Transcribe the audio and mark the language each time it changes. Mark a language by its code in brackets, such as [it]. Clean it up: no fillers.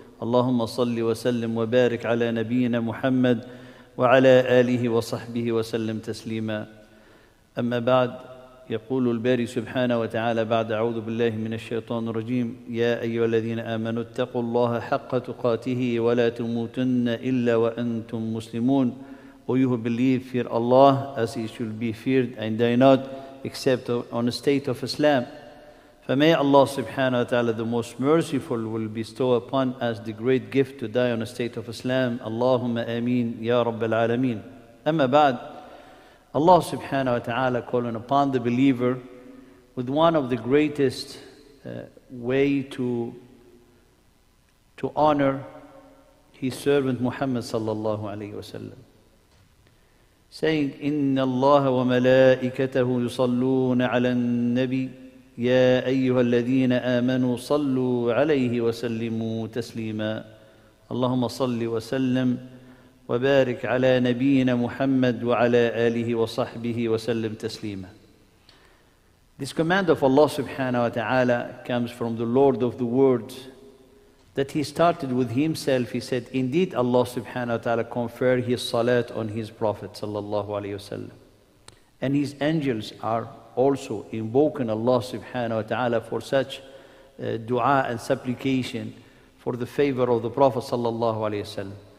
[ar] اللهم صلِّ وسلِّم وبارِك على نبينا محمد وعلى آله وصحبه وسلم تسليمًا. أما بعد، يقول الباري سبحانه وتعالى بعد: أعوذ بالله من الشيطان الرجيم. يا أيها الذين آمنوا اتقوا الله حق تقاته ولا تموتن إلا وأنتم مسلمون. [en] O you who believe, fear Allah as He should be feared, and die not except on a state of Islam. For may Allah subhanahu wa ta'ala, the most merciful, will bestow upon us the great gift to die on a state of Islam. [ar] Allahumma ameen ya rabbal alameen. Amma ba'd. [en] Allah subhanahu wa ta'ala calling upon the believer with one of the greatest way to honor his servant Muhammad sallallahu alayhi wa sallam, saying, [ar] إِنَّ اللَّهَ وَمَلَائِكَتَهُ يُصَلُّونَ عَلَى النَّبِيِّ يَا أَيُّهَا الَّذِينَ آمَنُوا صَلُّوا عَلَيْهِ وَسَلِّمُوا تَسْلِيمًا. اللهم صلِّ وسلِّم وبارِك على نبينا محمد وعلى آله وصحبه وسلم تسليمًا. [en] This command of Allah subhanahu wa ta'ala comes from the Lord of the world that he started with himself. He said, indeed Allah subhanahu wa ta'ala conferred his salat on his prophet sallallahu alayhi wa sallam, and his angels are also invoking Allah subhanahu wa ta'ala for such dua and supplication for the favor of the prophet sallallahu alayhi wa sallam.